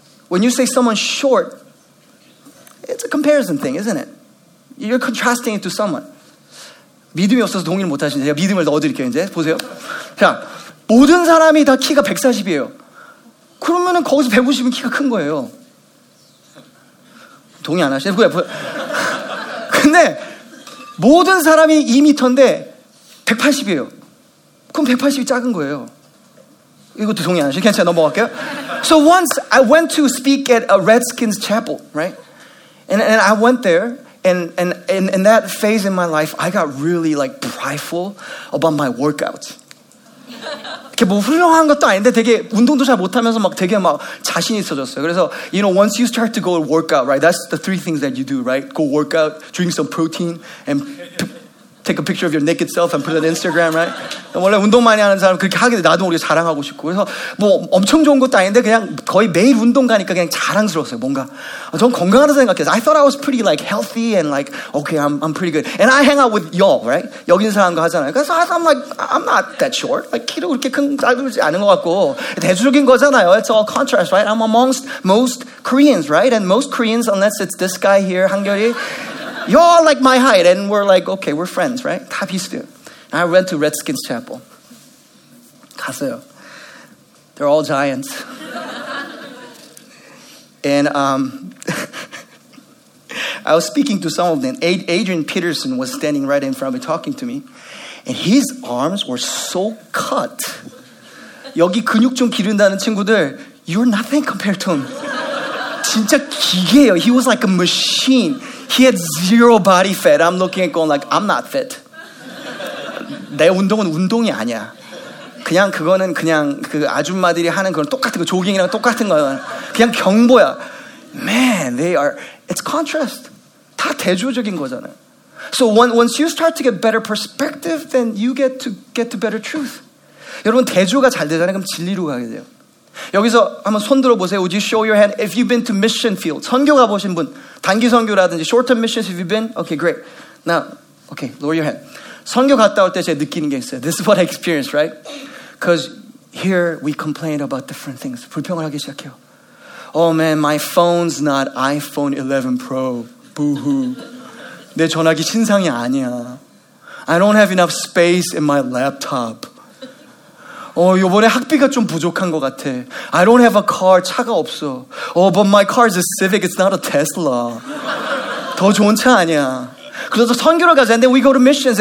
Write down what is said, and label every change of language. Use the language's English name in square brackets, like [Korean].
[English] When you say someone's short, it's a comparison thing, isn't it? You're contrasting it to someone. [Korean] 믿음이 없어서 동의를 못 하시는데 제가 믿음을 넣어드릴게요, 이제. 보세요. 자, 모든 사람이 다 키가 140이에요. 그러면은 거기서 150이면 키가 큰 거예요. 동의 안 하시네. 근데 모든 사람이 2m인데 180이에요. 그럼 180이 작은 거예요. 이것도 동의 안 하시네. 괜찮아, 넘어갈게요. [English] So once I went to speak at a Redskins chapel, right? And I went there. And in that phase in my life, I got really like prideful about my workouts. [Korean] 뭐 훌륭한 것도 아닌데 되게 운동도 잘 못하면서 막 되게 막 자신 있어졌어요. 그래서 [English] you know once you start to go work out, right? That's the three things that you do, right? Go work out, drink some protein, and take a picture of your naked self and put it on Instagram, right? [Korean] 원래 운동 많이 하는 사람 그렇게 하게 돼. 나도 모르게 자랑하고 싶고. 그래서 뭐 엄청 좋은 것도 아닌데 그냥 거의 매일 운동 가니까 그냥 자랑스러웠어요. 뭔가 전 건강하다 생각해서 [English] I thought I was pretty like healthy and like okay, I'm pretty good. And I hang out with y'all, right? [Korean] 여기 있는 사람과 하잖아요. 그래서 [English] I'm like I'm not that short. [Korean] Like 키도 그렇게 큰 사람이지 않은 것 같고 대조적인 거잖아요. [English] It's all contrast, right? I'm amongst most Koreans, right? And most Koreans, unless it's this guy here, 한결이. Y'all like my height, and we're like, okay, we're friends, right? [Korean] 다 비슷해요. [English] And I went to Redskins Chapel. [Korean] 갔어요. [English] They're all giants. And I was speaking to some of them. Adrian Peterson was standing right in front of me, talking to me. And his arms were so cut. [Korean] 여기 근육 좀 기른다는 친구들, [English] you're nothing compared to him. [Korean] 진짜 기계예요. [English] He was like a machine. He had zero body fat. I'm looking at going like, I'm not fit. [Korean] 내 운동은 운동이 아니야. 그냥 그거는 그냥 그 아줌마들이 하는 그런 똑같은 거, 조깅이랑 똑같은 거야. 그냥 경보야. [English] Man, they are, it's contrast. [Korean] 다 대조적인 거잖아. [English] So once you start to get better perspective, then you get to better truth. [Korean] 여러분, 대조가 잘 되잖아요. 그럼 진리로 가게 돼요. 여기서 한번 손 들어보세요. [English] Would you show your hand if you've been to mission field? [Korean] 선교 가보신 분, 단기 선교라든지 [English] short-term missions, have you been? Okay, great. Now, okay, lower your hand. [Korean] 선교 갔다 올 때 제가 느끼는 게 있어요. [English] This is what I experienced, right? Because here we complain about different things. [Korean] 불평을 하기 시작해요. [English] Oh man, my phone's not iPhone 11 Pro. Boo-hoo. [Korean] 내 전화기 신상이 아니야. [English] I don't have enough space in my laptop. [Korean] 이번에 학비가 좀 부족한 것 같아. [English] I don't have a car. [Korean] 차가 없어. [English] Oh, but my car is a Civic. It's not a Tesla. [Korean] 더 좋은 차 아니야. 그래서 선교를 가자. [English] And then we go to missions.